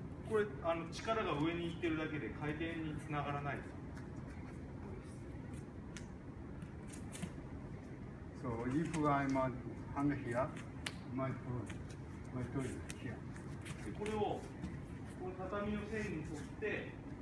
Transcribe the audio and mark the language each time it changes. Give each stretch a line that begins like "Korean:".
Japanese: これ、あの、力が上に行ってるだけで回転につながらないです。
English: So if I'm hand here, my toe is here.
Japanese: これを、この畳の線に沿って、